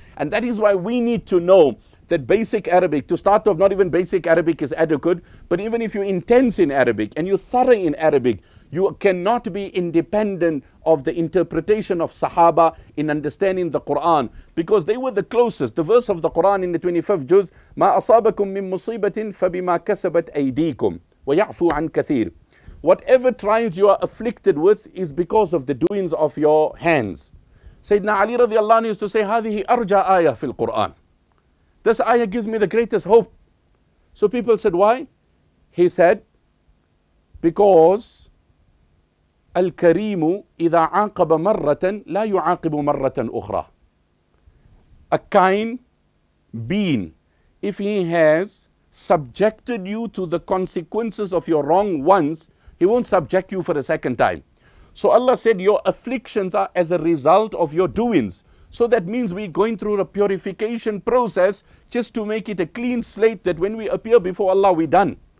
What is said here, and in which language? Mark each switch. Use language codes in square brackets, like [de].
[en] And that is why we need to know that basic Arabic, to start off, not even basic Arabic is adequate, but even if you're intense in Arabic and you're thorough in Arabic, you cannot be independent of the interpretation of Sahaba in understanding the Quran, because they were the closest. The verse of the Quran in the 25th Juz, [ar] مَا أَصَابَكُم مِّن مُصِيبَةٍ فَبِمَا كَسَبَتْ أَيْدِيكُمْ وَيَعْفُوا عَنْ كَثِيرٍ. [en] Whatever trials you are afflicted with is because of the doings of your hands. Sayyidina Ali radiallahu anhu used to say, [ar] هَذِهِ أَرْجَى آيَةٍ فِي الْقُرْآنِ. [en] This ayah gives me the greatest hope. So people said, why? He said, because [ar] الْكَرِيمُ إِذَا عَاقَبَ مَرَّةً لَا يُعَاقِبُ مَرَّةً أُخْرَى. [en] A kind being, if he has subjected you to the consequences of your wrong once, he won't subject you for a second time. So Allah said, your afflictions are as a result of your doings. So that means we're going through a purification process just to make it a clean slate, that when we appear before Allah, we're done.